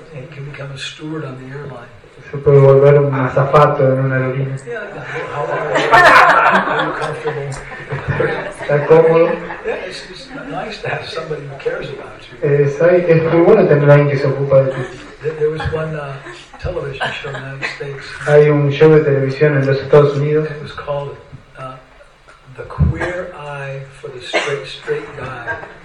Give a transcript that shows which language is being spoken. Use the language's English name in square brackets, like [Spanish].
[English] You can become a steward on the airline. [Spanish] Se puede volver un azafato en una aerolínea. [English] How are you? Are you comfortable? [Spanish] ¿Está cómodo? [English] It's nice to have somebody who cares about you. [Spanish] Es muy bueno tener a alguien que se ocupa de ti. [English] There was one television show in the United States. [Spanish] Hay un show de televisión en los Estados Unidos. [English] It was called The Queer Eye for the Straight Guy.